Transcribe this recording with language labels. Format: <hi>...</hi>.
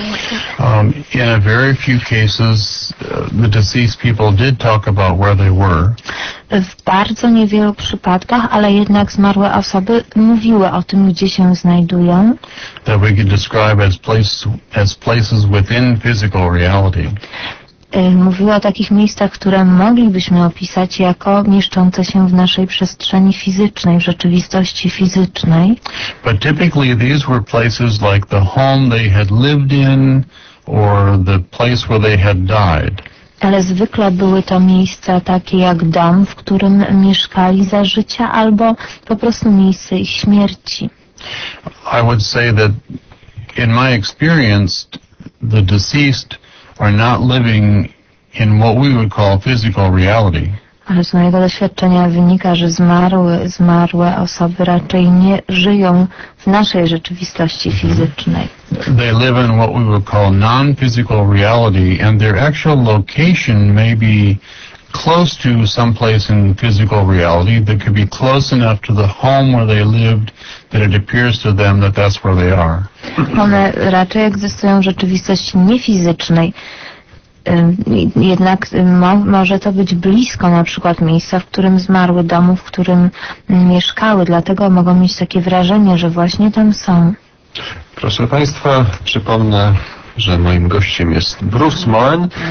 <en>In a very few cases, the deceased people did talk about where they were.</en> <pl>W bardzo niewielu przypadkach, ale jednak zmarłe osoby mówiły o tym, gdzie się znajdują.</pl> <en>That we could describe as places within physical reality.</en> <pl>Mówiły o takich miejscach, które moglibyśmy opisać jako mieszczące się w naszej przestrzeni fizycznej, w rzeczywistości fizycznej.</pl> <en>But typically these were places like the home they had lived in or the place where they had died.</en> <pl>ale zwykle były to miejsca takie jak dom, w którym mieszkali za życia, albo po prostu miejsce ich śmierci.</pl> <en>I would say that in my experience, the deceased are not living in what we would call physical reality.</en> <pl>Ale z mojego doświadczenia wynika, że zmarłe osoby raczej nie żyją w naszej rzeczywistości fizycznej.</pl> <en>They live in what we would call non-physical reality, and their actual location may be close to some place in physical reality that could be close enough to the home where they lived that it appears to them that that's where they are.</en> <pl>One raczej egzystują w rzeczywistości niefizycznej. Jednak może to być blisko na przykład miejsca, w którym zmarły, domu, w którym mieszkały. Dlatego mogą mieć takie wrażenie, że właśnie tam są. Proszę Państwa, przypomnę, że moim gościem jest Bruce Moen.</pl>